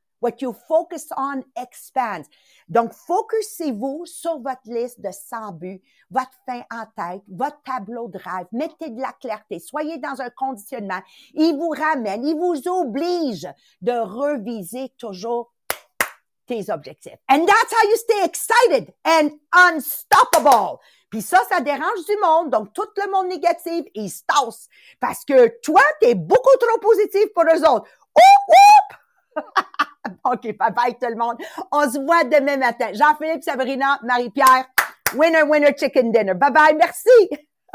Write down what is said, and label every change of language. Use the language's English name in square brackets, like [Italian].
[English] What you focus on expands. [French] Donc, focussez-vous sur votre liste de 100 buts, votre fin en tête, votre tableau de rêve. Mettez de la clarté. Soyez dans un conditionnement. Il vous ramène, il vous oblige de reviser toujours tes objectifs. [English] And that's how you stay excited and unstoppable. [French] Puis ça, ça dérange du monde. Donc, tout le monde négatif, il se tasse. Parce que toi, t'es beaucoup trop positif pour eux autres. Oup, oup! OK, bye-bye tout le monde. On se voit demain matin. Jean-Philippe, Sabrina, Marie-Pierre, [English] winner, winner, chicken dinner. [French] Bye-bye, merci!